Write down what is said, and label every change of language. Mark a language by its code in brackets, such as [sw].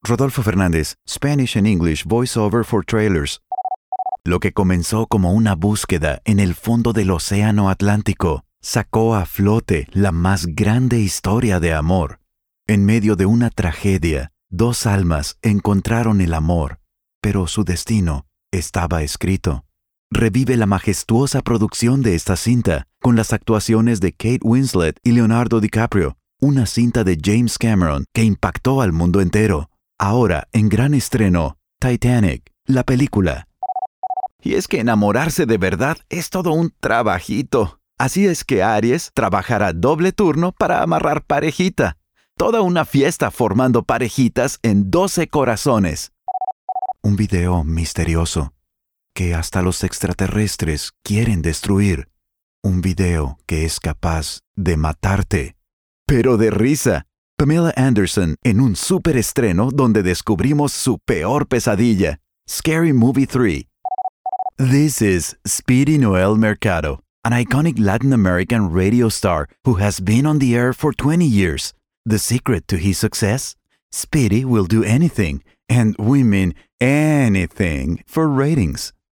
[en] Rodolfo Fernández, Spanish and English voiceover for trailers. [es] Lo que comenzó como una búsqueda en el fondo del Océano Atlántico sacó a flote la más grande historia de amor. En medio de una tragedia, dos almas encontraron el amor, pero su destino estaba escrito. Revive la majestuosa producción de esta cinta con las actuaciones de Kate Winslet y Leonardo DiCaprio, una cinta de James Cameron que impactó al mundo entero. Ahora, en gran estreno, Titanic, la película. Y es que enamorarse de verdad es todo un trabajito. Así es que Aries trabajará doble turno para amarrar parejita. Toda una fiesta formando parejitas en 12 corazones. Un video misterioso que hasta los extraterrestres quieren destruir. Un video que es capaz de matarte, pero de risa. Pamela Anderson en un superestreno donde descubrimos su peor pesadilla. Scary Movie 3. [en] This is Speedy Noel Mercado, an iconic Latin American radio star who has been on the air for 20 years. The secret to his success? Speedy will do anything, and we mean anything, for ratings.